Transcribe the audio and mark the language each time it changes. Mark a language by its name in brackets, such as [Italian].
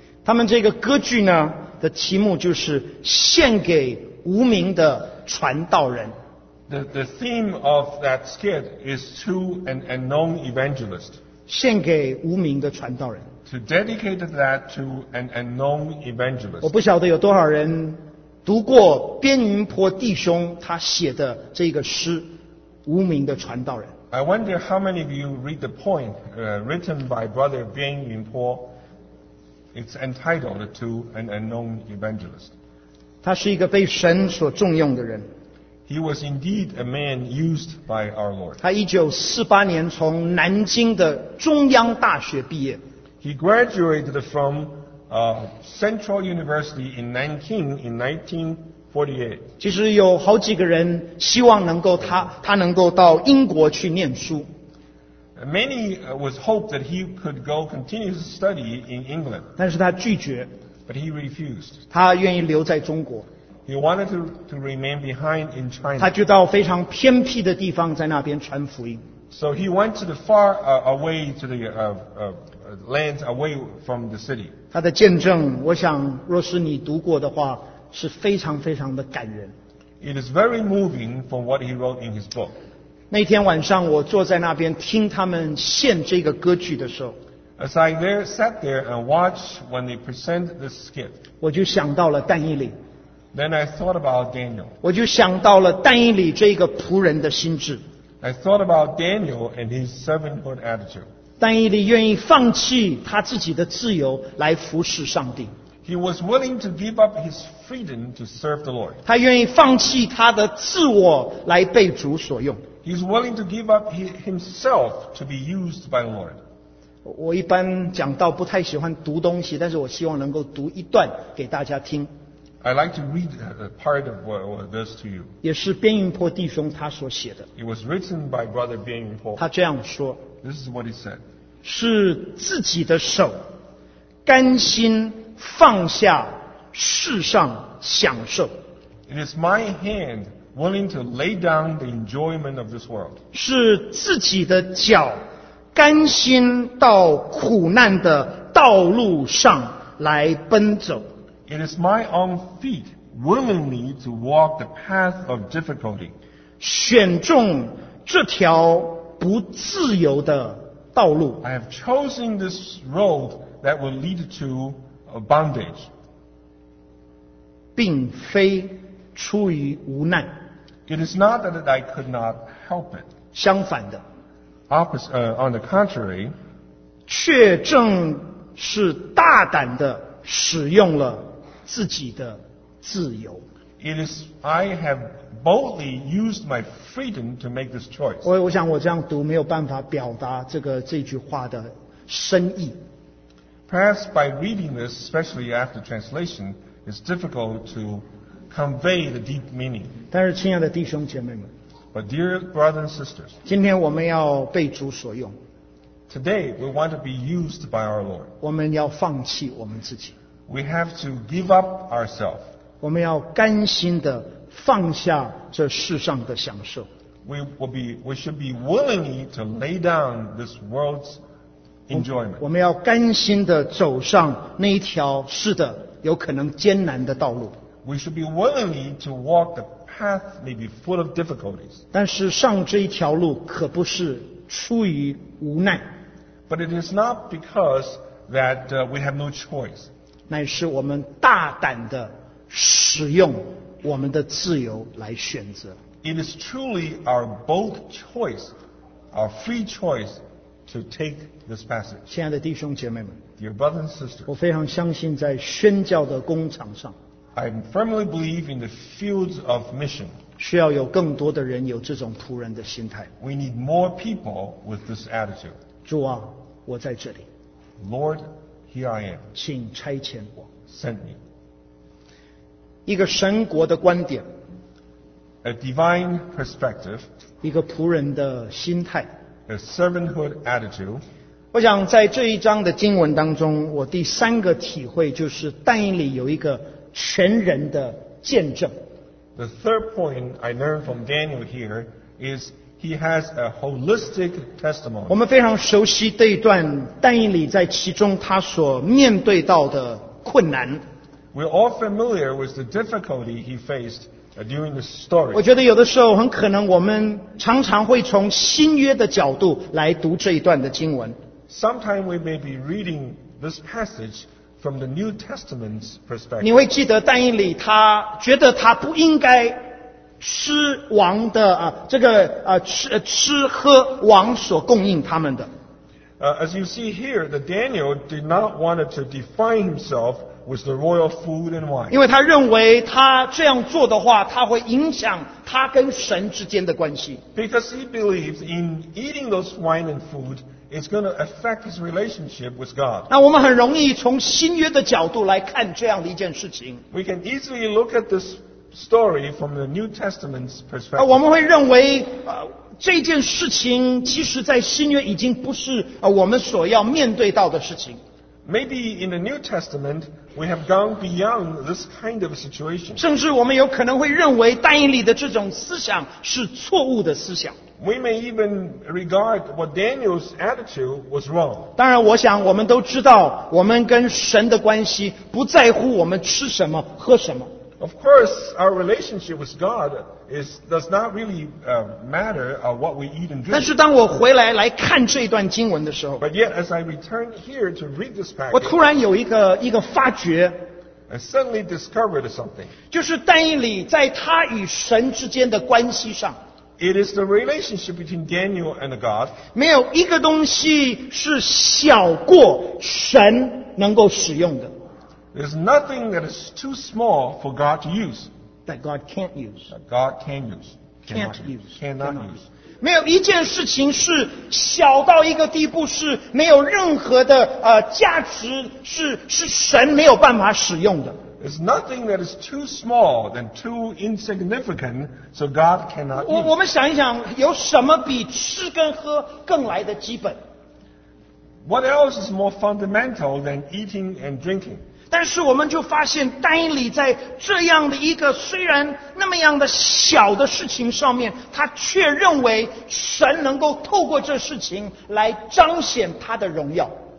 [Chinese] 他们这个歌剧呢的题目就是献给无名的传道人。 [English] The theme of that skit is to an unknown evangelist. [Chinese] 献给无名的传道人。 [English] To dedicate that to an unknown evangelist. [Chinese] 我不晓得有多少人读过边云坡弟兄他写的这个诗，无名的传道人。 [English] I wonder how many of you read the poem written by Brother Bing Yunpo. It's entitled To an Unknown Evangelist. [Chinese] 他是一个被神所重用的人。 [English] He was indeed a man used by our Lord. [Chinese] 他1948年从南京的中央大学毕业。 [English] He graduated from Central University in Nanking in 1948. [Chinese] 其实有好几个人希望能够他能够到英国去念书。 [English] Many was hoped that he could go continue to study in England. [Chinese] 但是他拒绝。 [English] But he refused. [Chinese] 他愿意留在中国。 [English] He wanted to remain behind in China. [Chinese] 他就到非常偏僻的地方在那边传福音。 [English] So he went to the far away to the lands away from the city. [Chinese] 他的见证，我想若是你读过的话。是非常非常的感人。 [English] It is very moving from what he wrote in his book. [Chinese] 那天晚上我坐在那边听他们献这个歌剧的时候， [English] As I there sat there and watched when they present this skit, [Chinese] 我就想到了但以理。 [English] Then I thought about Daniel. [Chinese] 我就想到了但以理这个仆人的心智。 [English] I thought about Daniel and his servanthood attitude. [Chinese] 但以理愿意放弃他自己的自由来服侍上帝。 [English] He was willing to give up his freedom to serve the Lord. [Chinese] 他愿意放弃他的自我来被主所用。 [English] He's willing to give up himself to be used by the Lord. [Chinese] 我一般讲到不太喜欢读东西，但是我希望能够读一段给大家听。 [English] I'd like to read a part of this to you. [Chinese] 也是边云坡弟兄他所写的。 [English] It was written by Brother 边云坡。 [Chinese] 他这样说。 [English] This is what he said. [Chinese] 是自己的手，甘心放下世上享受。 [English] It is my hand willing to lay down the enjoyment of this world. [Chinese] 是自己的脚，甘心到苦难的道路上来奔走。 [English] It is my own feet willingly to walk the path of difficulty. [Chinese] 选中这条不自由的道路。 [English] I have chosen this road that will lead to bondage. [Chinese] 并非出于无奈。 [English] It is not that I could not help it. [Chinese] 相反的。 [English] On the contrary, [Chinese] 却正是大胆地使用了自己的自由。 [English] It is I have boldly used my freedom to make this choice. [Chinese] 我想我这样读没有办法表达这句话的深意。 [English] Perhaps by reading this, especially after translation, it's difficult to convey the deep meaning. [Chinese] 但是亲爱的弟兄姐妹们， [English] But dear brothers and sisters, [Chinese] 今天我们要被主所用。 [English] Today we want to be used by our Lord. [Chinese] 我们要放弃我们自己。 [English] We have to give up ourselves. [Chinese] 我们要甘心地放下这世上的享受。 [English] We should be willingly to lay down this world's enjoyment. [Chinese] 我们要甘心地走上那一条是的，有可能艰难的道路。 [English] We should be willingly to walk the path maybe full of difficulties. [Chinese] 但是上这一条路可不是出于无奈。 [English] But it is not because that we have no choice. [Chinese] 乃是我们大胆地使用我们的自由来选择。 [English] It is truly our bold choice, our free choice to take this passage. [Chinese] 亲爱的弟兄姐妹们， [English] Dear brothers and sisters, [Chinese] 我非常相信在宣教的工厂上， [English] I firmly believe in the fields of mission. [Chinese] 需要有更多的人有这种仆人的心态。 [English] We need more people with this attitude. [Chinese] 主啊，我在这里。 [English] Lord. Here I am. [Chinese] 请差遣我。 [English] Send me. [Chinese] 一个神国的观点。 [English] A divine perspective. [Chinese] 一个仆人的心态。 [English] A servanthood attitude. [Chinese] 我想在这一章的经文当中，我第三个体会就是但以理有一个全人的见证。 [English] The third point I learned from Daniel here is. He has a holistic testimony. [Chinese] 我们非常熟悉这一段但以理在其中他所面对到的困难。 [English] We're all familiar with the difficulty he faced during the story. [Chinese] 我觉得有的时候很可能我们常常会从新约的角度来读这一段的经文。 [English] Sometime we may be reading this passage from the New Testament's perspective. [Chinese] 你会记得但以理他觉得他不应该吃王的吃喝王所供应他们的。 [English] As you see here, the Daniel did not want to define himself with the royal food and wine. [Chinese] 因为他认为他这样做的话，他会影响他跟神之间的关系。 [English] Because he believes in eating those wine and food is going to affect his relationship with God. [Chinese] 那我们很容易从新约的角度来看这样的一件事情。 [English] We can easily look at this. Story from the New Testament's perspective. [Chinese] 我们会认为这件事情其实在新约已经不是我们所要面对到的事情。 [English] Maybe in the New Testament, we have gone beyond this kind of situation. [Chinese] 甚至我们有可能会认为但以理的这种思想是错误的思想。 [English] We may even regard what Daniel's attitude was wrong. [Chinese] 当然我想我们都知道我们跟神的关系不在乎我们吃什么喝什么。 [English] Of course, our relationship with God does not really matter what we eat and drink. [Chinese] 但是当我回来来看这一段经文的时候， [English] But yet, as I return here to read this passage, [Chinese] 我突然有一个发觉， [English] I suddenly discovered something. [Chinese] 就是但以理在他与神之间的关系上， [English] It is the relationship between Daniel and God. [Chinese] 没有一个东西是小过神能够使用的。 [English] There's nothing that is too small for God to use. That God can't use. That God can use. Can't use. Cannot use. [Chinese] 没有一件事情是小到一个地步是没有任何的价值，是神没有办法使用的。 [English] There's nothing that is too small than too insignificant, so God cannot use. [Chinese] 我们想一想，有什么比吃跟喝更来的基本？ [English] What else is more fundamental than eating and drinking? [Chinese] 但是我们就发现，但以理在这样的一个虽然那么样的小的事情上面，他却认为神能够透过这事情来彰显他的荣耀。